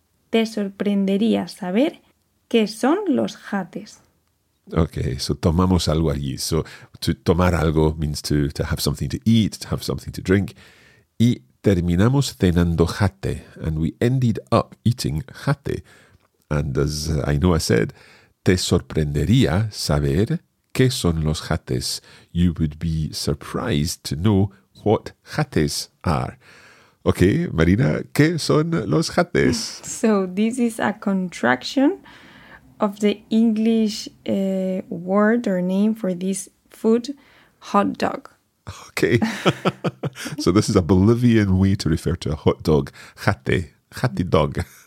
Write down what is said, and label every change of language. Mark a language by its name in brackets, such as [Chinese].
[Spanish] te sorprendería saber qué son los jates. [English] Okay, so [Spanish] tomamos algo allí. [English] So to tomar algo means to have something to eat, to have something to drink. [Spanish] Y terminamos cenando jate, [English] and we ended up eating jate. And as Ainhoa said, [Spanish] te sorprendería saber qué son los jates. [English] You would be surprised to know what jates are. Okay, [Spanish] Marina, ¿qué son los jates? [English] So this is a contraction of the English word or name for this food, hot dog. Okay. So this is a Bolivian way to refer to a hot dog, jate, jate dog.